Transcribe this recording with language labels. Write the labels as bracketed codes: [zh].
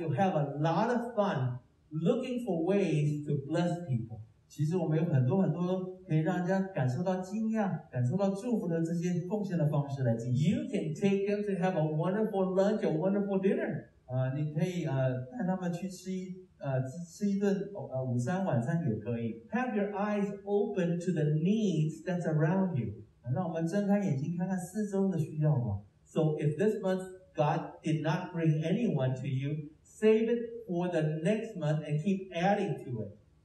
[en] You have a lot of fun looking for ways to bless people. [zh] 其实我们有很多很多可以让人家感受到惊讶，感受到祝福的这些奉献的方式来进行。 [en] You can take them to have a wonderful lunch, a wonderful dinner. [zh] 你可以带他们去吃一顿午餐晚餐也可以。 [en] Have your eyes open to the needs that's around you. [zh] 让我们睁开眼睛看看四周的需要吧。 [en] So if this month God did not bring anyone to you, save it for the next month and keep adding to it.